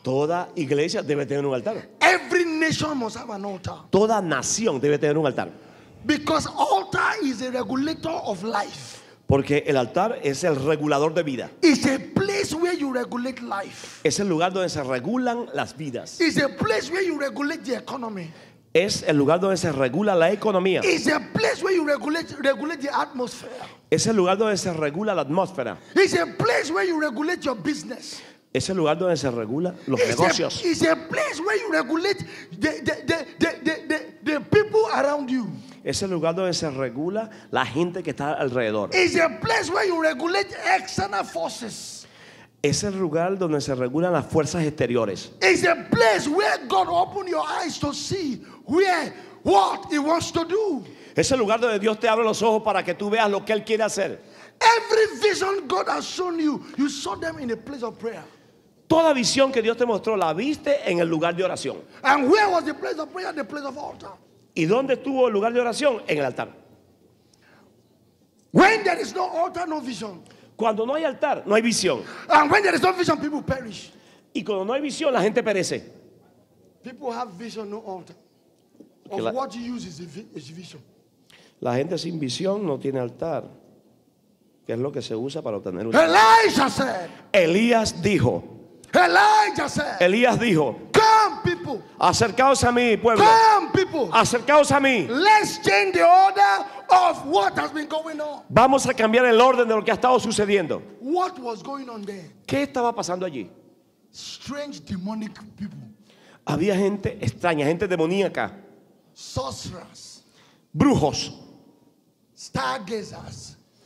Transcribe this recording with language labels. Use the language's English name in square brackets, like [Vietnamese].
[Spanish] Toda iglesia debe tener un altar. [English] Every nation must have an altar. [Spanish] Toda nación debe tener un altar. [English] Because altar is a regulator of life. [Spanish] Porque el altar es el regulador de vida. [English] It's a place where you regulate life. [Spanish] Es el lugar donde se regulan las vidas. [English] It's a place where you regulate the economy. [Spanish] Es el lugar donde se regula la economía. [English] It's a place where you regulate the atmosphere. [Spanish] Es el lugar donde se regula la atmósfera. [English] It's a place where you regulate your business. [Spanish] Es el lugar donde se regula los negocios. [English] It's a place where you regulate the people around you. [Spanish] Es el lugar donde se regula la gente que está alrededor. [English] It's a place where you regulate external forces. [Spanish] Es el lugar donde se regulan las fuerzas exteriores. [English] It's a place where God opens your eyes to see where what He wants to do. [Spanish] Es el lugar donde Dios te abre los ojos para que tú veas lo que Él quiere hacer. [English] Every vision God has shown you, you saw them in a place of prayer. [Spanish] Toda visión que Dios te mostró la viste en el lugar de oración. [English] And where was the place of prayer? The place of altar. [Spanish] ¿Y dónde estuvo el lugar de oración? En el altar. [English] When there is no altar, no vision. [Spanish] Cuando no hay altar, no hay visión. [English] And when there is no vision, people perish. [Spanish] Y cuando no hay visión, la gente perece. [English] People have vision, no altar. Of what you use is vision. [Spanish] La gente sin visión no tiene altar. ¿Qué es lo que se usa para obtener un [English] Elijah said. [Spanish] Elías dijo. [English] Elijah said. [Spanish] Elías dijo. [English] Come people. [Spanish] Acercaos a mí, pueblo. [English] Come people. [Spanish] Acercaos a mí. [English] Let's change the order of what has been going on. [Spanish] Vamos a cambiar el orden de lo que ha estado sucediendo. [English] What was going on there? [Spanish] ¿Qué estaba pasando allí? [English] Strange demonic people. [Spanish] Había gente extraña, gente demoníaca. [English] Sorcerers. [Spanish] Brujos. [English] Stargazers.